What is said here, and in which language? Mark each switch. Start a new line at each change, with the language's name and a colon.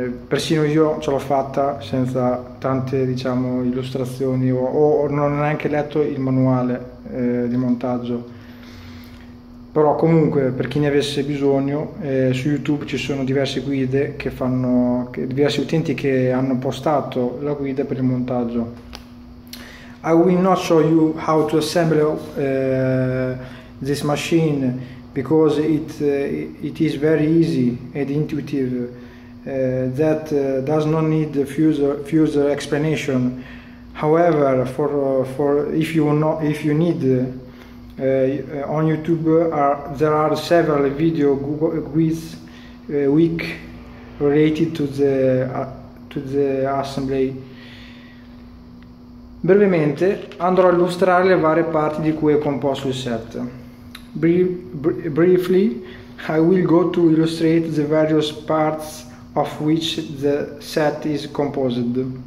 Italian: Persino io ce l'ho fatta senza tante, diciamo, illustrazioni o non ho neanche letto il manuale di montaggio. Però comunque, per chi ne avesse bisogno, su YouTube ci sono diverse guide diversi utenti che hanno postato la guida per il montaggio.
English: I will not show you how to assemble this machine because it is very easy and intuitive. That does not need further explanation. However, if you need, on YouTube there are several video quiz week related to the assembly.
Italian: Brevemente andrò a illustrare le varie parti di cui è composto il set.
English: Briefly, I will go to illustrate the various parts of which the set is composed.